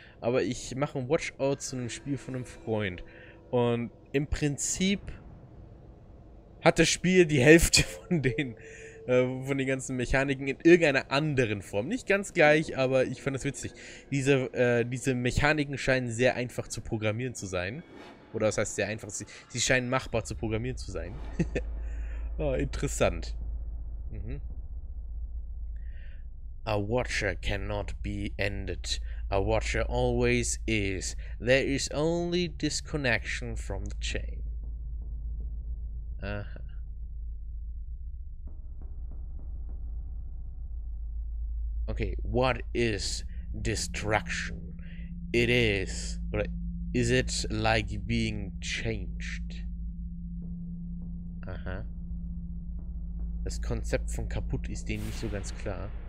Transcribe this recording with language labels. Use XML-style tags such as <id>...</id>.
<de>Aber ich mache ein Watchout zu einem Spiel von einem Freund. Und im Prinzip hat das Spiel die Hälfte von den ganzen Mechaniken in irgendeiner anderen Form. Nicht ganz gleich, aber ich fand das witzig. Diese Mechaniken scheinen sehr einfach zu programmieren zu sein. Oder das heißt sehr einfach, sie scheinen machbar zu programmieren zu sein. Oh, interessant. Mhm.</de> <en>A watcher cannot be ended. A watcher always is. There is only disconnection from the chain. Aha. Okay, what is destruction? It is, or is it like being changed? Aha.</en> <de>Das Konzept von kaputt ist denen nicht so ganz klar.</de>